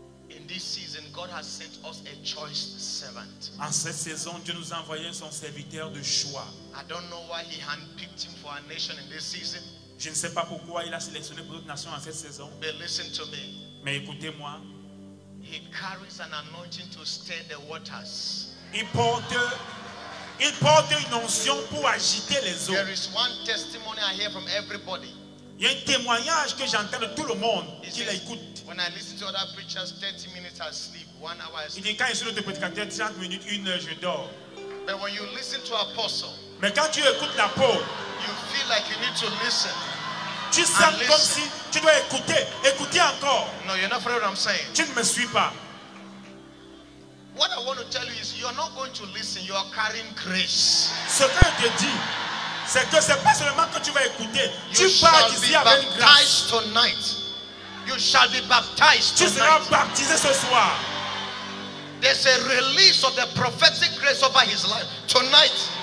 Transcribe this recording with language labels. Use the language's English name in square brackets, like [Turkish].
[English] In this season, God has sent us a choice servant. [French] En cette saison, Dieu nous a envoyé son serviteur de choix. [English] I don't know why he handpicked him for our nation in this season. [French] Je ne sais pas pourquoi il a sélectionné pour notre nation en cette saison. [English] But listen to me. [French] Mais écoutez-moi. [English] He carries an anointing to stir the waters. [French] Il porte une onction pour agiter les eaux. [English] There is one testimony I hear from everybody. [French] Il y a un témoignage que j'entends de tout le monde qui l'écoute. [English] When I listen to other preachers, 30 minutes I sleep, 1 hour I sleep. [French] Il dit quand je suis dans le prédicateur, 30 minutes, 1 heure je dors. [English] But when you listen to apostle, [French] mais quand tu écoutes l'apôtre, [English] you feel like you need to listen. [French] Tu sens comme si tu dois écouter, écouter encore. [English] No, you're not afraid of what I'm saying. [French] Tu ne me suis pas. [English] What I want to tell you is, you're not going to listen. You are carrying grace. [French] Ce que je te dis, c'est que c'est pas seulement que tu vas écouter. [English] You [French] tu pars d'ici avec grâce. [English] You shall be baptized tonight. You shall be baptized [French] tu [English] tonight. [French] Tu seras baptisé ce soir. [English] There's a release of the prophetic grace over his life tonight.